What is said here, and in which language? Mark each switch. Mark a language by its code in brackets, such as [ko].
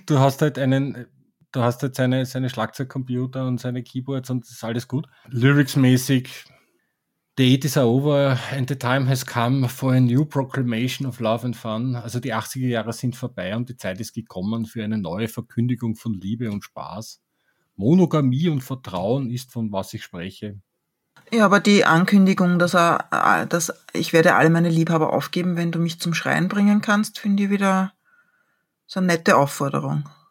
[de] Du hast halt seine Schlagzeugcomputer und seine Keyboards und ist alles gut. Lyrics-mäßig, [en] the eight is over and the time has come for a new proclamation of love and fun. [de] Also die 80er Jahre sind vorbei und die Zeit ist gekommen für eine neue Verkündigung von Liebe und Spaß. Monogamie und Vertrauen ist, von was ich spreche. Ja, aber die Ankündigung, dass ich werde alle meine Liebhaber aufgeben, wenn du mich zum Schreien bringen kannst, finde ich wieder so eine nette Aufforderung.